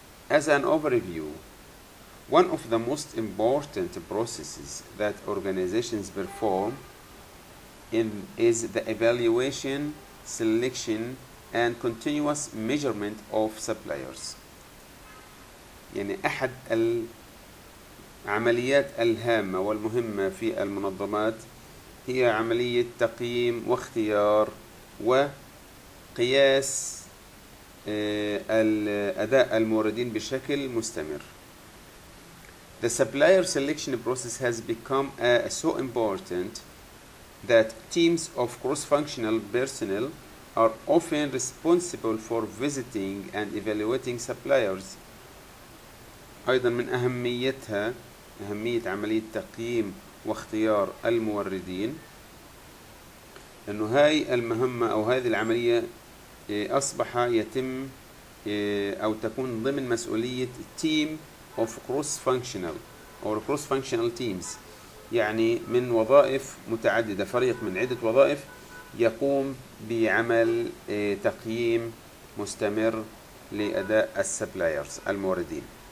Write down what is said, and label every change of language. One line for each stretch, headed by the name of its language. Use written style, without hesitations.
English: As an overview, one of the most important processes that organizations perform is the evaluation, selection, and continuous measurement of suppliers.
Arabic: يعني أحد العمليات الهامة والمهمة في المنظمات هي عملية تقييم واختيار وقياس أداء الموردين بشكل مستمر.
English: The supplier selection process has become so important that teams of cross-functional personnel are often responsible for visiting and evaluating suppliers.
Arabic: أيضا من أهميتها أهمية عملية تقييم واختيار الموردين أنه هاي المهمة أو هذه العملية أصبح يتم أو تكون ضمن مسؤولية
English: team of cross-functional or cross-functional teams،
Arabic: يعني من وظائف متعددة، فريق من عدة وظائف يقوم بعمل تقييم مستمر لأداء السبلايرز الموردين.